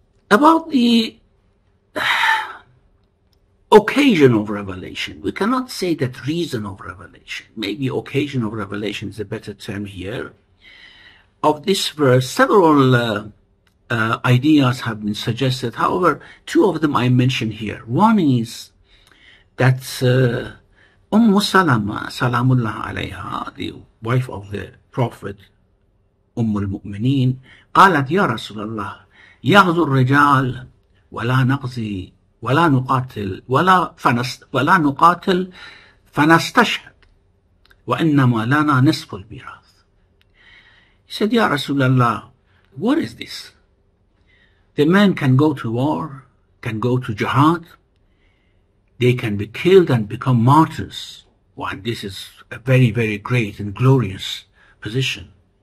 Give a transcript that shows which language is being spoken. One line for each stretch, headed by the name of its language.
English: About the occasion of revelation, we cannot say that reason of revelation, maybe occasion of revelation is a better term here. Of this verse, several ideas have been suggested. However, two of them I mention here. One is that Ummu Salama, Salamullah alayha, the wife of the Prophet,
Arabic: Ummu al-Mu'mineen, قالت يا رسول الله يغزو الرجال ولا نغزي ولا نقاتل ولا نقاتل فنستشهد وإنما لنا نصف الميراث.
English: He said,
Arabic: يا رسول الله,
English: what is this? The men can go to war, can go to jihad, they can be killed and become martyrs. Well, this is a very, very great and glorious position.